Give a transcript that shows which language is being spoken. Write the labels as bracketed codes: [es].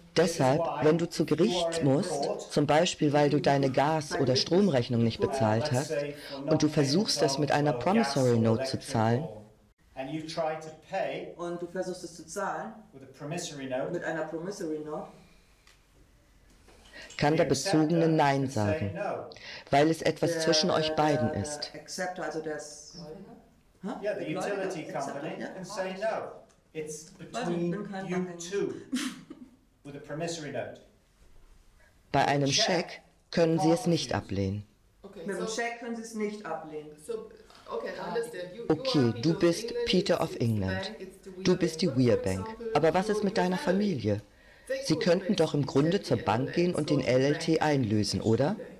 [de] Deshalb, wenn du zu Gericht musst, zum Beispiel weil du deine Gas- oder Stromrechnung nicht bezahlt hast, und du versuchst es mit einer Promissory Note zu zahlen, [en] and you try to pay [de] und du versuchst es zu zahlen [en] with a promissory note, [de] mit einer Promissory Note, kann der Bezogene Nein sagen, weil es etwas zwischen euch beiden ist. [en] Acceptor, [de] also der [en] Utility Company, can say no. It's between you two with a promissory note. [de] Bei einem Scheck können Sie es nicht ablehnen. Okay, mit einem Scheck können Sie es nicht ablehnen. [en] So, okay, understand. [de] Okay, du bist Peter of England. Du bist die Weir Bank. Aber was ist mit deiner Familie? Sie könnten doch im Grunde zur Bank gehen und den LLT einlösen, oder?